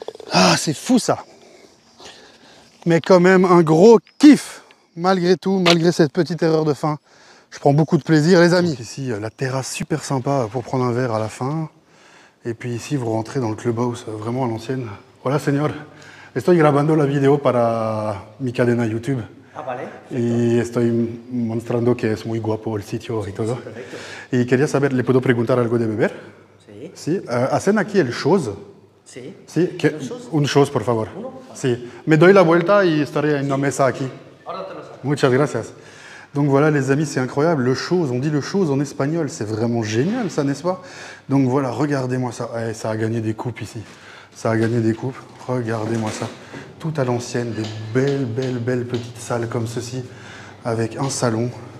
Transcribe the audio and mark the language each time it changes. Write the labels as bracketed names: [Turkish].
[French] Ah, c'est fou ça. Mais quand même, un gros kiff. Malgré tout, malgré cette petite erreur de fin. Je prends beaucoup de plaisir, les amis. Donc ici, la terrasse super sympa pour prendre un verre à la fin. Et puis ici, vous rentrez dans le clubhouse, vraiment à l'ancienne. Voilà, [Spanish] señor. Estoy grabando la video para mi cadena YouTube. Ah, vale. Y estoy mostrando que es muy guapo el sitio y todo. Y quería saber, ¿le puedo preguntar algo de beber? Sí. ¿Sí? ¿Hacen aquí el chose? Sí. ¿Sí? ¿Qué? Un chose, por favor. ¿Uno? Sí. Me doy la vuelta y estaré en una mesa aquí. Ahora te lo saco. Muchas gracias. [French] Donc voilà les amis, c'est incroyable, le chose, on dit le chose en espagnol, c'est vraiment génial ça, n'est-ce pas? Donc voilà, regardez-moi ça. Hey, ça a gagné des coupes ici. Ça a gagné des coupes. Regardez-moi ça. Tout à l'ancienne, des belles, belles, belles petites salles comme ceci, avec un salon.